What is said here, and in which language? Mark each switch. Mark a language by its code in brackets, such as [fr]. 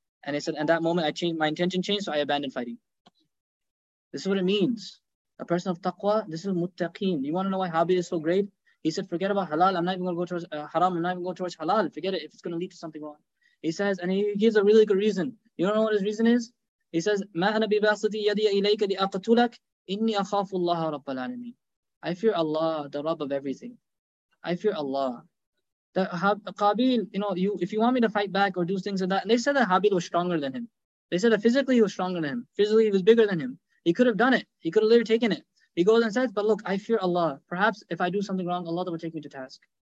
[en] And he said, and that moment I changed, my intention changed, so I abandoned fighting. This is what it means. A person of taqwa, this is muttaqeen. You want to know why Habib is so great? He said, forget about halal. I'm not even going to go towards haram. I'm not even going towards halal. Forget it if it's going to lead to something wrong. He says, and he gives a really good reason. You don't know what his reason is? He says, [ar] مَا أَنَا بِبَاسِطِي يَدِيَ إِلَيْكَ لِأَقْتُلَكَ إِنِّي أَخَافُ اللَّهَ رَبَّ الْعَالَمِينَ. [en] I fear Allah, the Rabb of everything. I fear Allah. That Qabil, you know, you if you want me to fight back or do things like that, and they said that Habib was stronger than him. They said that physically he was stronger than him. Physically he was bigger than him. He could have done it. He could have later taken it. He goes and says, but look, I fear Allah. Perhaps if I do something wrong, Allah will take me to task.